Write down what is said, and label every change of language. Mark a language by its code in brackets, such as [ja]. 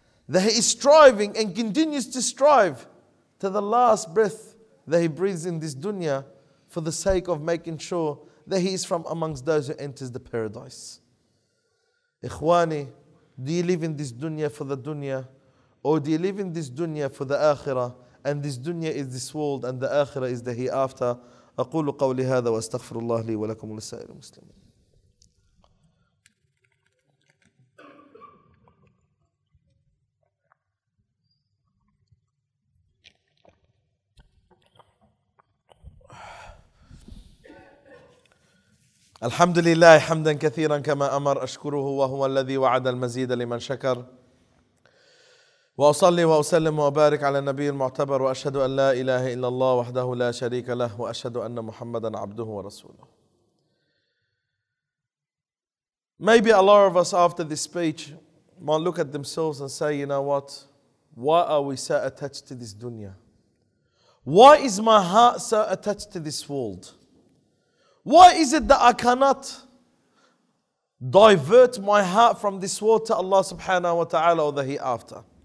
[en] that he is striving and continues to strive to the last breath that he breathes in this dunya for the sake of making sure that he is from amongst those who enters the paradise. Ikhwani, do you live in this dunya for the dunya, or do you live in this dunya for the akhirah? And this dunya is this world, and the akhirah is the hereafter. [ar] أقول قولي هذا واستغفر الله لي ولكم ولسائر المسلمين. الحمد لله حمدا كثيرا كما أمر أشكره وهو الذي وعد المزيد لمن شكر وأصلي وأسلم وأبارك على النبي المعتبر وأشهد أن لا إله إلا الله وحده لا شريك له وأشهد أن محمدا عبده ورسوله. [en] Maybe a lot of us after this speech might look at themselves and say, you know what? Why are we so attached to this dunya? Why is my heart so attached to this world? Why is it that I cannot divert my heart from this world to Allah subhanahu wa ta'ala or the hereafter?